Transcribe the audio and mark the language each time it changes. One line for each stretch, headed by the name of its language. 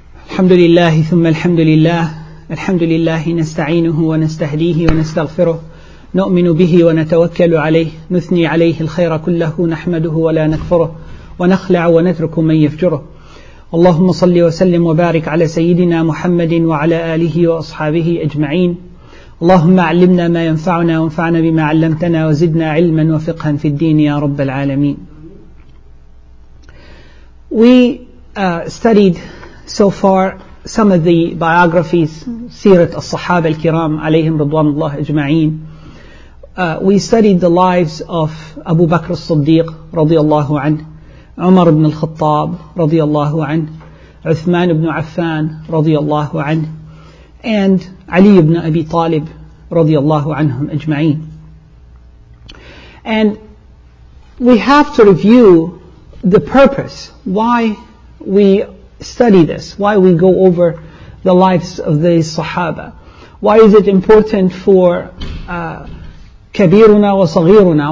Arabic: الحمد لله ثم الحمد لله. الحمد لله نستعينه ونستهديه ونستغفره، نؤمن به ونتوكل عليه، نثني عليه الخير كله، نحمده ولا نكفره، ونخلع ونترك من يفجره. اللهم صل وسلم وبارك على سيدنا محمد وعلى آله وأصحابه أجمعين. اللهم علمنا ما ينفعنا وانفعنا بما علمتنا وزدنا علما وفقها في الدين يا رب العالمين.
English: We studied so far some of the biographies,
Arabic: سيرة الصحابة الكرام عليهم رضوان الله أجمعين.
English: We studied the lives of Abu Bakr الصديق
Arabic: رضي الله عنه,
English: عمر بن الخطاب رضي الله عنه, عثمان بن عفان رضي الله عنه, and Ali ibn Abi Talib
Arabic: radiyallahu anhum ajma'in.
English: And we have to review the purpose why we study this, why we go over the lives of the sahaba. Why is it important for
Arabic: kabiruna wa saghiruna?